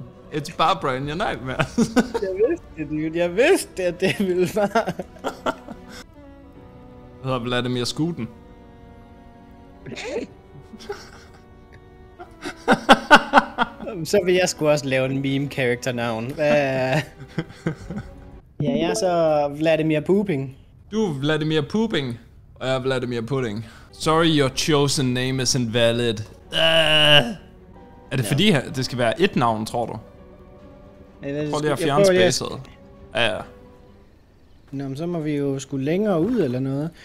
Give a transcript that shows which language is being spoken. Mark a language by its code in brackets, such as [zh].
[en] It's Barbara in your nightmares. [da] Jeg vidste, at det ville være... Jeg hedder Vladimir Scooten. Så vil jeg sgu også lave en meme-character-navn. Ja, jeg er så Vladimir Pooping. Du er Vladimir Pooping, og jeg er Vladimir Pudding. [en] Sorry, your chosen name is invalid. [da] Er det fordi, det skal være ét navn, tror du? Prøv lige at fjerne spacet. Nå, så må vi jo sgu længere ud, eller noget.